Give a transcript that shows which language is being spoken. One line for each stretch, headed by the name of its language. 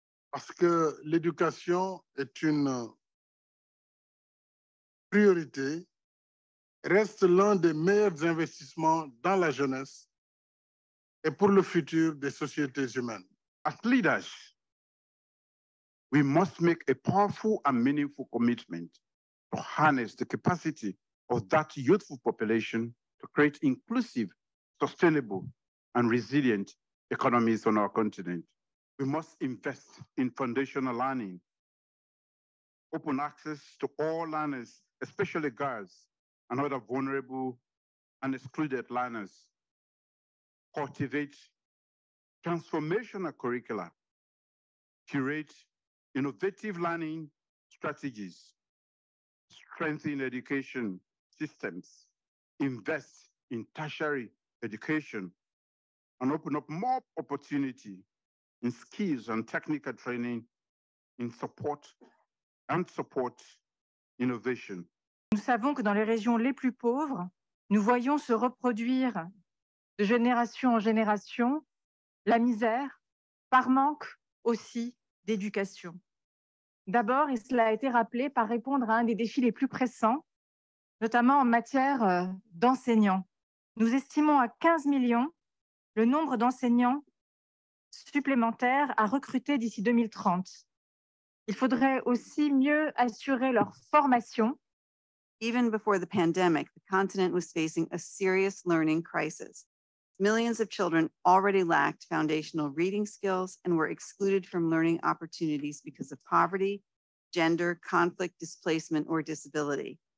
French: Parce que l'éducation est une priorité, reste l'un des meilleurs investissements dans la jeunesse et pour le futur des sociétés humaines.
English: As leaders, we must make a powerful and meaningful commitment to harness the capacity of that youthful population to create inclusive, sustainable, and resilient economies on our continent. We must invest in foundational learning, open access to all learners, especially girls and other vulnerable and excluded learners, cultivate transformational curricula, curate innovative learning strategies, strengthen education systems, invest in tertiary education, and open up more opportunity in skills and technical training in support and support innovation.
French: Nous savons que dans les régions les plus pauvres, nous voyons se reproduire de génération en génération la misère par manque aussi d'éducation. D'abord, et cela a été rappelé, par répondre à un des défis les plus pressants, notamment en matière d'enseignants. Nous estimons à 15 millions le nombre d'enseignants supplémentaires à recruter d'ici 2030. Il faudrait aussi mieux assurer leur formation.
English: Even before the pandemic, the continent was facing a serious learning crisis. Millions of children already lacked foundational reading skills and were excluded from learning opportunities because of poverty, gender, conflict, displacement, or disability.